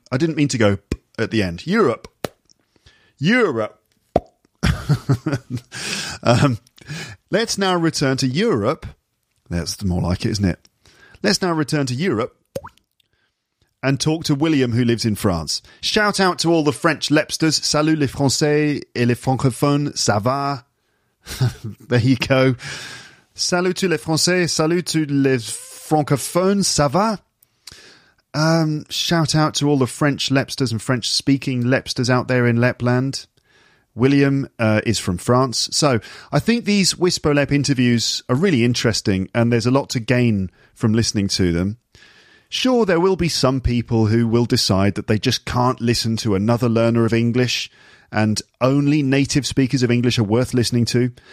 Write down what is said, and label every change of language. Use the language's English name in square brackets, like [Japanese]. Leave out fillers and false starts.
[English] I didn't mean to go p at the end. Europe. Europe. let's now return to Europe. That's more like it, isn't it? Let's now return to Europe and talk to William, who lives in France. Shout out to all the French Lepsters. [French] Salut les Français et les francophones. Ça va? [English] There you go. [French] Salut tous les Français, salut tous les francophones, ça va? [English] Shout out to all the French Lepsters and French-speaking Lepsters out there in Lepland. William is from France. So I think these Wispolep interviews are really interesting, and there's a lot to gain from listening to them. Sure, there will be some people who will decide that they just can't listen to another learner of English, and only native speakers of English are worth listening to.